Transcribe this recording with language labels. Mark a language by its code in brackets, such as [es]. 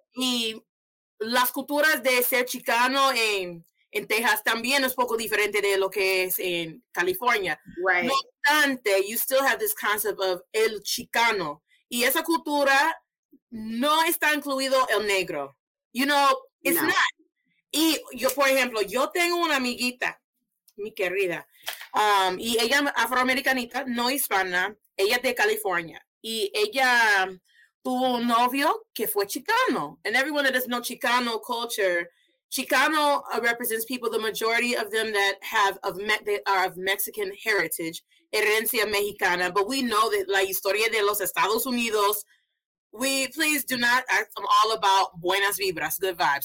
[es] Y las culturas de ser chicano en Texas también es poco diferente de lo que es en California. [en] Right. [es] No obstante, [en] you still have this concept of el chicano. [es] Y esa cultura no está incluido el negro. [en] You know, it's not. [es] Y yo, por ejemplo, yo tengo una amiguita, mi querida, y ella afroamericanita, no hispana, ella es de California. Y ella tuvo un novio que fue chicano. [en] And everyone that is no chicano culture, chicano represents people, the majority of them that have of they are of Mexican heritage, [es] herencia mexicana. [en] But we know that [es] la historia de los Estados Unidos, [en] please do not act all about [es] buenas vibras, [en] good vibes.